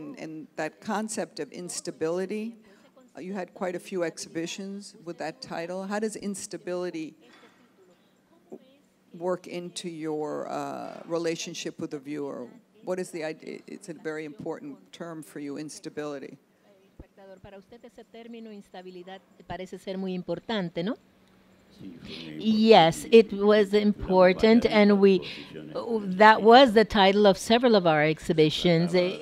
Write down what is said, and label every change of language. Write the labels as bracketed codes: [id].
[en] And that concept of instability, you had quite a few exhibitions with that title. How does instability work into your relationship with the viewer? What is the idea? It's a very important term for you, instability. [es] Para usted ese término instabilidad parece ser muy importante, ¿no? [en] Yes, it was important, and we that was the title of several of our exhibitions.